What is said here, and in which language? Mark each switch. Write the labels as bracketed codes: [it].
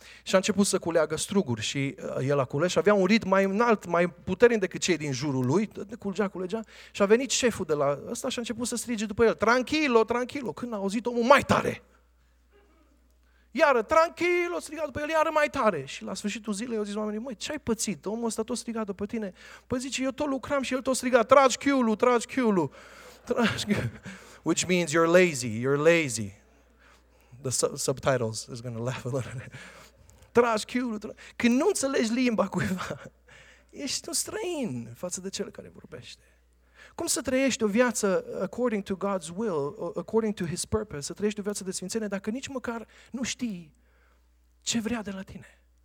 [ro] Și a început să culeagă struguri și el a cules și avea un ritm mai înalt, mai puternic decât cei din jurul lui, culegea, și a venit șeful de la ăsta și a început să strige după el, tranquilo, tranquilo, când a auzit omul mai tare. Iară, tranquilo, striga după el, iară mai tare. Și la sfârșitul zilei au zis oamenii, măi, ce-ai pățit? Omul ăsta tot striga după tine. Păi zice, eu tot lucram și el tot striga, tragi chiulu, tragi chiulu, tragi chiulu. [en] Which means you're lazy, you're lazy. The subtitles is going to laugh a little bit. [ro] Tragi chiulu, când nu înțelegi limba cuiva, ești un străin față de cel care vorbește. Cum să trăiești o viață [en] according to God's will, according to His purpose, [ro] să trăiești o viață de sfințenie dacă nici măcar nu știi ce vrea de la tine?